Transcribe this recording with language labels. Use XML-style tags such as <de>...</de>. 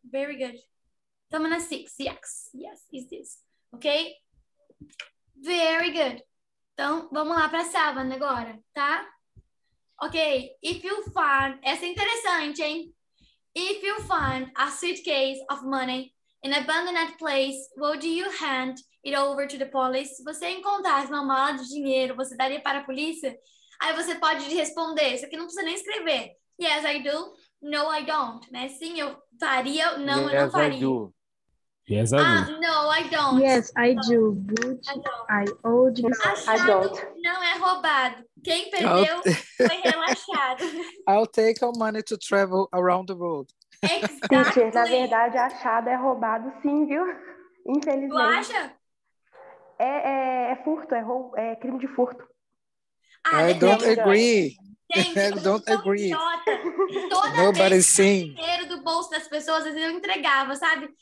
<en>Very good.</en> <pt>Estamos na 6,</pt> <en>yes. Yes, is this. Ok? Very good.</en> <pt>Então, vamos lá para a 7 agora, tá?</pt> <en>Ok, if you find...</en> <pt>Essa é interessante, hein?</pt> <en>If you find a suitcase of money in an abandoned place, would do you hand it over to the police?</en> <pt>Se você encontrasse uma mala de dinheiro, você daria para a polícia? Aí você pode responder. Isso aqui não precisa nem escrever.</pt> <en>Yes, I do. No, I don't.</en> <pt>Né? Sim, eu faria. Não, yes, eu não faria.</pt> <en>I do. Yes, I do. Ah, no, I don't. Yes, I do. Would I owed you.</en> <pt>Achado</pt> <en>I don't.</en> <pt>Não é roubado. Quem perdeu foi relaxado.</pt> <en>I'll take our money to travel around the world. Exactly.</en> <pt>Teacher, na verdade, achado é roubado, sim, viu? Infelizmente. Tu acha? É furto, é crime de furto.</pt> <en>Ah, I don't agree.</en> <pt>Gente,</pt> <en>I don't agree.</en> <pt>Toda vez que o dinheiro do bolso das pessoas, às vezes eu entregava, sabe?</pt>